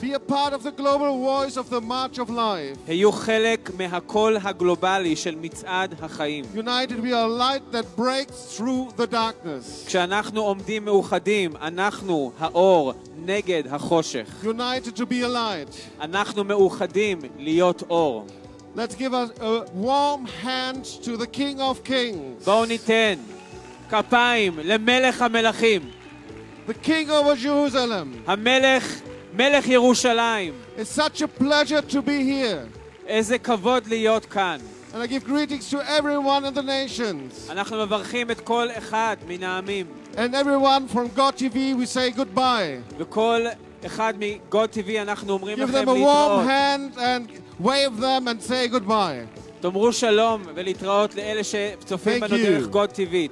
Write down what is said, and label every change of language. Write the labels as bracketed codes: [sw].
[en] Be a part of the global voice of the march of life. [he] היו חלק מהקול הגלובלי של מצעד החיים. [en] United we are light that breaks through the darkness. [he] כשאנחנו עומדים מאוחדים, אנחנו האור נגד החושך. [en] United to be a light. [he] אנחנו מאוחדים להיות אור. [en] Let's give a warm hand to the King of Kings. [he] בואו ניתן כפיים למלך המלכים. [en] The King of Jerusalem. [he] המלך, מלך ירושלים. [en] It's such a pleasure to be here. [he] איזה כבוד להיות כאן. [en] And I give greetings to everyone in the nations. [he] אנחנו מברכים את כל אחד מן העמים. [en] And everyone from God TV we say goodbye. [he] וכל אחד מ-God TV אנחנו אומרים לכם להתראות. [en] Give them a warm hand and wave them and say goodbye. [he] תאמרו שלום ולהתראות לאלה שצופים בנו דרך God TV.